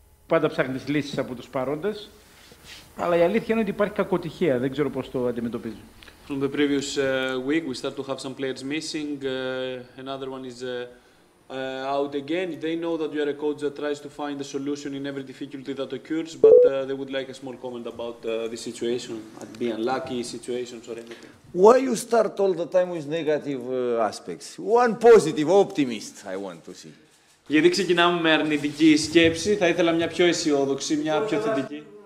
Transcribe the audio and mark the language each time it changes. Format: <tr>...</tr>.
<el>πάντα ψάχνεις λύσεις από τους παρόντες. Αλλά η αλήθεια είναι ότι υπάρχει κακοτυχία. Δεν ξέρω πώς το αντιμετωπίζω.</el> <en>From the previous week, we start to have some players missing. Another one is out again. They know that you are a coach that tries to find a solution in every difficulty that occurs, but they would like a small comment about the situation, the unlucky situations or anything. Why you start all the time with negative aspects? One positive, optimist, I want to see.</en> <el>Γιατί ξεκινάμε με αρνητική σκέψη, θα ήθελα μια πιο αισιόδοξη, μια πιο θετική.</el>